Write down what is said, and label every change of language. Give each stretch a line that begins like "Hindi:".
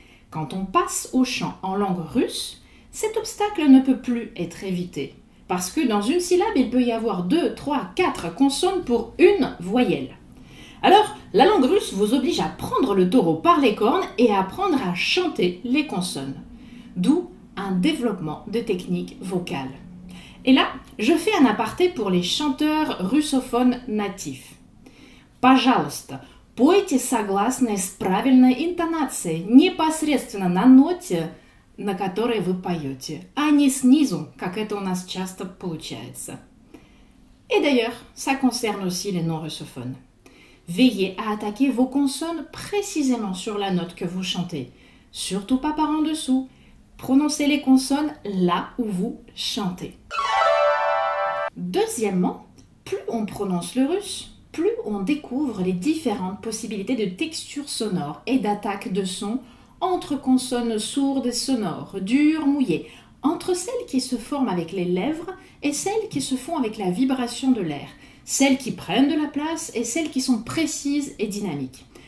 French: Quand on passe au chant en langue russe, cet obstacle ne peut plus être évité, parce que dans une syllabe, il peut y avoir 2, 3, 4 consonnes pour une voyelle. Alors, la langue russe vous oblige à prendre le taureau par les cornes et à apprendre à chanter les consonnes, d'où un développement de techniques vocales. Et là, je fais un aparté pour les chanteurs russophones natifs.
Russian: Пожалуйста, пойте согласно с правильной интонацией непосредственно на ноте, на которой вы поете, а не снизу, как это у нас часто получается.
French: Et d'ailleurs, ça concerne aussi les non-russophones. Veillez à attaquer vos consonnes précisément sur la note que vous chantez. Surtout pas par en dessous. Prononcez les consonnes là où vous chantez. Deuxièmement, plus on prononce le russe, plus on découvre les différentes possibilités de texture sonore et d'attaque de son entre consonnes sourdes et sonores, dures, mouillées, entre celles qui se forment avec les lèvres et celles qui se font avec la vibration de l'air, celles qui prennent de la place et celles qui sont précises et dynamiques.